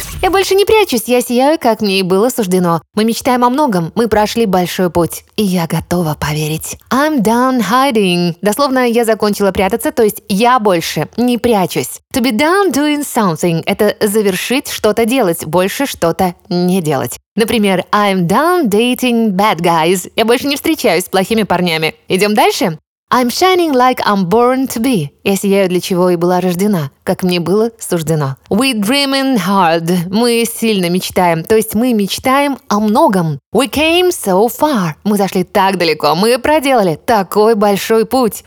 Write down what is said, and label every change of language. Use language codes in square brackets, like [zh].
[ru] Больше не прячусь, я сияю, как мне и было суждено. Мы мечтаем о многом, мы прошли большой путь, и я готова поверить. [en] I'm done hiding. [ru] Дословно, я закончила прятаться, то есть я больше не прячусь. [en] To be done doing something [ru] – это завершить что-то делать, больше что-то не делать. Например, [en] I'm done dating bad guys. [ru] Я больше не встречаюсь с плохими парнями. Идем дальше. [en] I'm shining like I'm born to be. [ru] Я сияю, для чего и была рождена, как мне было суждено. [en] We dreaming hard. [ru] Мы сильно мечтаем, то есть мы мечтаем о многом. [en] We came so far. [ru] Мы зашли так далеко, мы проделали такой большой путь.